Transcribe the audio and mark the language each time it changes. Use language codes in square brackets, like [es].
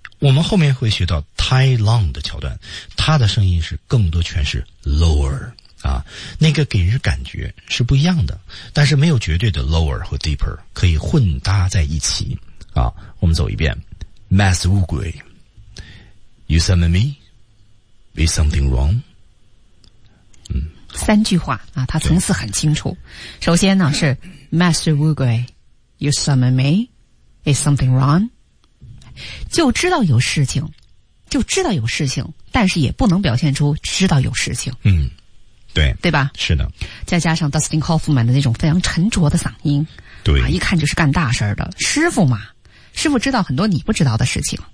[zh] 我们后面会学到 Tai Long 的桥段，他的声音是更多全是 lower 啊，那个给人感觉是不一样的，但是没有绝对的 lower 和 deeper 可以混搭在一起啊。我们走一遍 [en] ，Master Wugui, you summon me, is something wrong？ [zh] 三句话啊，他层次很清楚。首先呢是 [en] Master Wugui, you summon me, is something wrong？ [zh] 就知道有事情，就知道有事情，但是也不能表现出知道有事情。嗯，对，对吧？是的。再加上 Dustin Hoffman 的那种非常沉着的嗓音，对、啊、一看就是干大事的师傅嘛，师傅知道很多你不知道的事情，